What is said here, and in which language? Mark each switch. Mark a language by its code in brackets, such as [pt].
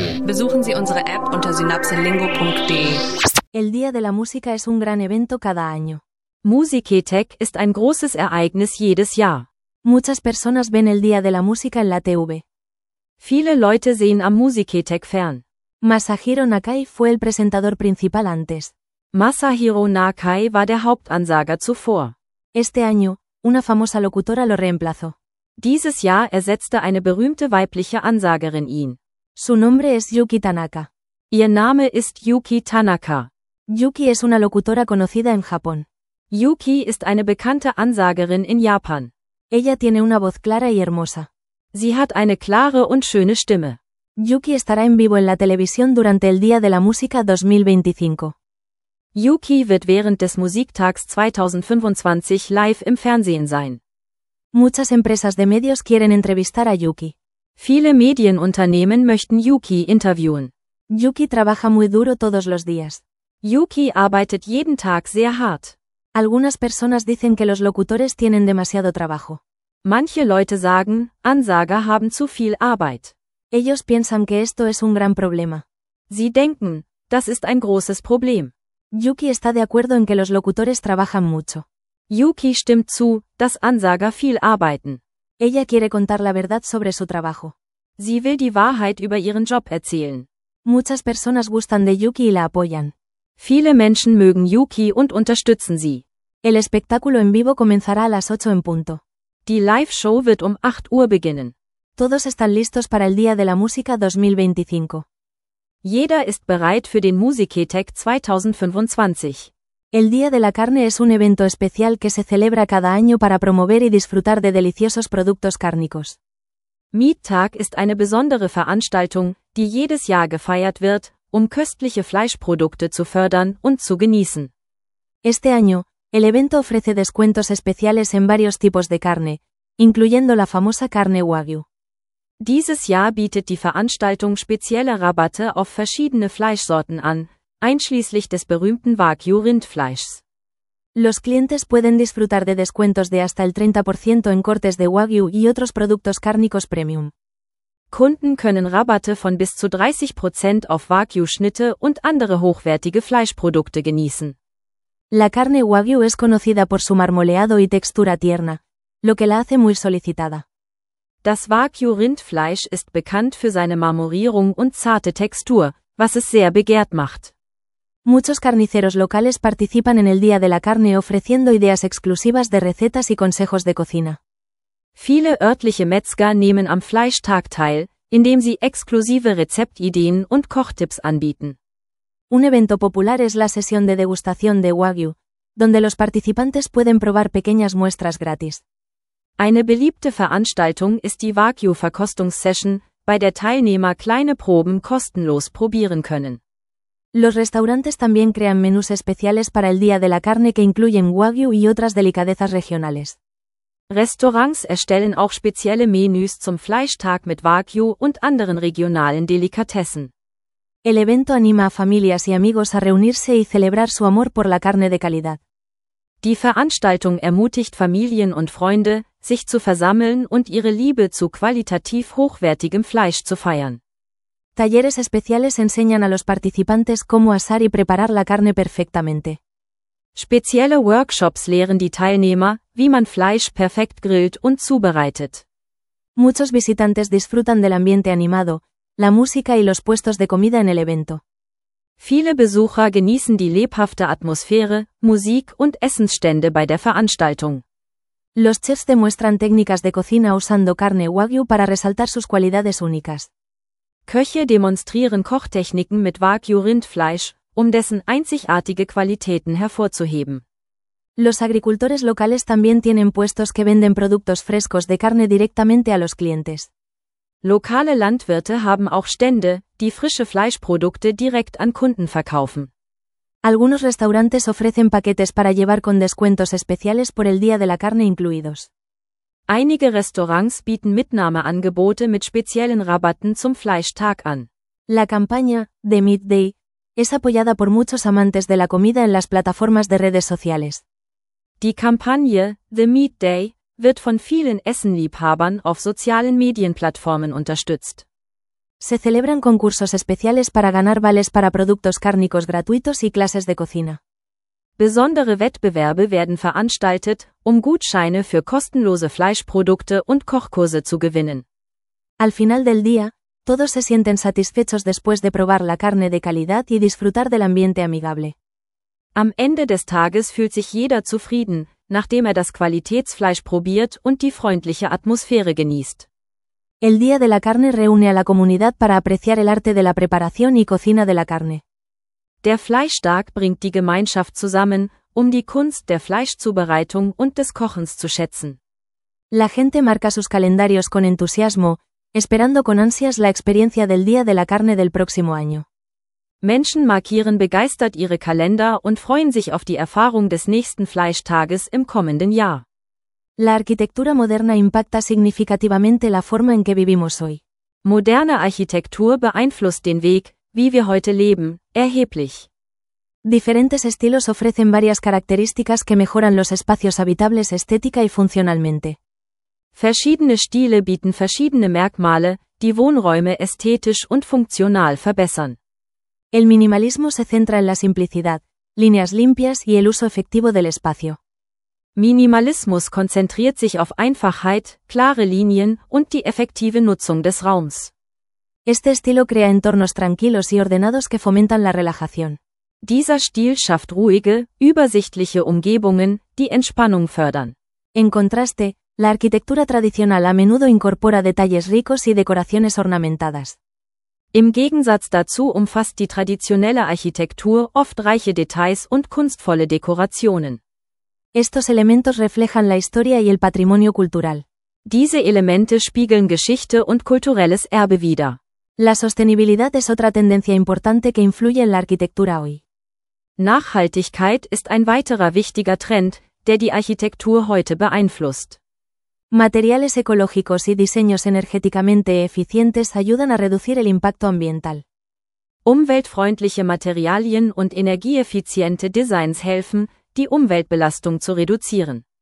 [de] Besuchen Sie unsere App unter synapselingo.de. [es] El Día de la Música es un gran evento cada año. [de] Musiketech ist ein großes Ereignis jedes Jahr. [es] Muchas personas ven el Día de la Música en la TV. [de] Viele Leute sehen am Musiketech fern. [es] Masahiro Nakai fue el presentador principal antes. [de] Masahiro Nakai war der Hauptansager zuvor. [es] Este año, una famosa locutora lo reemplazó. [de] Dieses Jahr ersetzte eine berühmte weibliche Ansagerin ihn. [es] Su nombre es Yuki Tanaka. [de] Ihr Name ist Yuki Tanaka. [es] Yuki es una locutora conocida en Japón. [de] Yuki ist eine bekannte Ansagerin in Japan. [es] Ella tiene una voz clara y hermosa. [de] Sie hat eine klare und schöne Stimme. [es] Yuki estará en vivo en la televisión durante el Día de la Música 2025. [de] Yuki wird während des Musiktags 2025 live im Fernsehen sein. [es] Muchas empresas de medios quieren entrevistar a Yuki. [de] Viele Medienunternehmen möchten Yuki interviewen. [es] Yuki trabaja muy duro todos los días. [de] Yuki arbeitet jeden Tag sehr hart. [es] Algunas personas dicen que los locutores tienen demasiado trabajo. [de] Manche Leute sagen, Ansager haben zu viel Arbeit. [es] Ellos piensan que esto es un gran problema. [de] Sie denken, das ist ein großes Problem. [es] Yuki está de acuerdo en que los locutores trabajan mucho. [de] Yuki stimmt zu, dass Ansager viel arbeiten. [es] Ella quiere contar la verdad sobre su trabajo. [de] Sie will die Wahrheit über ihren Job erzählen. [es] Muchas personas gustan de Yuki y la apoyan. [de] Viele Menschen mögen Yuki und unterstützen sie. [es] El espectáculo en vivo comenzará a las 8 en punto. [de] Die Live-Show wird um 8 Uhr beginnen. [es] Todos están listos para el Día de la Música 2025. [de] Jeder ist bereit für den Musiketech 2025. [es] El Día de la Carne es un evento especial que se celebra cada año para promover y disfrutar de deliciosos productos cárnicos. [de] Meat-Tag ist eine besondere Veranstaltung, die jedes Jahr gefeiert wird, um köstliche Fleischprodukte zu fördern und zu genießen. [es] Este año, el evento ofrece descuentos especiales en varios tipos de carne, incluyendo la famosa carne Wagyu. [de] Dieses Jahr bietet die Veranstaltung spezielle Rabatte auf verschiedene Fleischsorten an, einschließlich des berühmten Wagyu-Rindfleischs. [es] Los clientes pueden disfrutar de descuentos de hasta el 30% en cortes de Wagyu y otros productos cárnicos premium. [de] Kunden können Rabatte von bis zu 30% auf Wagyu-Schnitte und andere hochwertige Fleischprodukte genießen. [es] La carne Wagyu es conocida por su marmoleado y textura tierna, lo que la hace muy solicitada. [de] Das Wagyu-Rindfleisch ist bekannt für seine Marmorierung und zarte Textur, was es sehr begehrt macht. [es] Muchos carniceros locales participan en el Día de la Carne ofreciendo ideas exclusivas de recetas y consejos de cocina. [de] Viele örtliche Metzger nehmen am Fleischtag teil, indem sie exklusive Rezeptideen und Kochtipps anbieten. [es] Un evento popular es la sesión de degustación de Wagyu, donde los participantes pueden probar pequeñas muestras gratis. [de] Eine beliebte Veranstaltung ist die Wagyu-Verkostungssession, bei der Teilnehmer kleine Proben kostenlos probieren können. [es] Los restaurantes también crean menús especiales para el Día de la Carne que incluyen Wagyu y otras delicadezas regionales. [de] Restaurants erstellen auch spezielle Menüs zum Fleischtag mit Wagyu und anderen regionalen Delikatessen. [es] El evento anima a familias y amigos a reunirse y celebrar su amor por la carne de calidad. [de] Die Veranstaltung ermutigt Familien und Freunde, sich zu versammeln und ihre Liebe zu qualitativ hochwertigem Fleisch zu feiern. [es] Talleres especiales enseñan a los participantes cómo asar y preparar la carne perfectamente. [de] Spezielle Workshops lehren die Teilnehmer, wie man Fleisch perfekt grillt und zubereitet. [es] Muchos visitantes disfrutan del ambiente animado, la música y los puestos de comida en el evento. [de] Viele Besucher genießen die lebhafte Atmosphäre, Musik und Essensstände bei der Veranstaltung. [es] Los chefs demuestran técnicas de cocina usando carne Wagyu para resaltar sus cualidades únicas. [de] Köche demonstrieren Kochtechniken mit Wagyu-Rindfleisch, um dessen einzigartige Qualitäten hervorzuheben. [es] Los agricultores locales también tienen puestos que venden productos frescos de carne directamente a los clientes. [de] Lokale Landwirte haben auch Stände, die frische Fleischprodukte direkt an Kunden verkaufen. [es] Algunos restaurantes ofrecen paquetes para llevar con descuentos especiales por el Día de la Carne incluidos. [de] Einige Restaurants bieten Mitnahmeangebote mit speziellen Rabatten zum Fleischtag an. [es] La campaña The Meat Day es apoyada por muchos amantes de la comida en las plataformas de redes sociales. [de] Die Kampagne The Meat Day wird von vielen Essenliebhabern auf sozialen Medienplattformen unterstützt. [es] se celebran concursos especiales para ganar vales para productos cárnicos gratuitos y clases de cocina. [de] Besondere Wettbewerbe werden veranstaltet, Gutscheine für kostenlose Fleischprodukte und Kochkurse zu gewinnen. [es] Al final del día, todos se sienten satisfechos después de probar la carne de calidad y disfrutar del ambiente amigable. [de] Am Ende des Tages fühlt sich jeder zufrieden, nachdem das Qualitätsfleisch probiert und die freundliche Atmosphäre genießt. [es] El Día de la Carne reúne a la comunidad para apreciar el arte de la preparación y cocina de la carne. [de] Der Fleischtag bringt die Gemeinschaft zusammen, die Kunst der Fleischzubereitung und des Kochens zu schätzen. [es] La gente marca sus calendarios con entusiasmo, esperando con ansias la experiencia del Día de la Carne del próximo año. [de] Menschen markieren begeistert ihre Kalender und freuen sich auf die Erfahrung des nächsten Fleischtages im kommenden Jahr. [es] La arquitectura moderna impacta significativamente la forma en que vivimos hoy. [de] Moderne Architektur beeinflusst den Weg, wie wir heute leben, erheblich. [es] Diferentes estilos ofrecen varias características que mejoran los espacios habitables estética y funcionalmente. [de] Verschiedene Stile bieten verschiedene Merkmale, die Wohnräume ästhetisch und funktional verbessern. [es] El minimalismo se centra en la simplicidad, líneas limpias y el uso efectivo del espacio. [de] Minimalismus konzentriert sich auf Einfachheit, klare Linien und die effektive Nutzung des Raums. [es] Este estilo crea entornos tranquilos y ordenados que fomentan la relajación. [de] Dieser Stil schafft ruhige, übersichtliche Umgebungen, die Entspannung fördern. [es] En contraste, la arquitectura tradicional a menudo incorpora detalles ricos y decoraciones ornamentadas. [de] Im Gegensatz dazu umfasst die traditionelle Architektur oft reiche Details und kunstvolle Dekorationen. [es] Estos elementos reflejan la historia y el patrimonio cultural. [de] Diese Elemente spiegeln Geschichte und kulturelles Erbe wider. [es] La sostenibilidad es otra tendencia importante que influye en la arquitectura hoy. [de] Nachhaltigkeit ist ein weiterer wichtiger Trend, der die Architektur heute beeinflusst. [es] Materiales ecológicos y diseños energéticamente eficientes ayudan a reducir el impacto ambiental. [de] Umweltfreundliche Materialien und energieeffiziente Designs helfen, die Umweltbelastung zu reduzieren.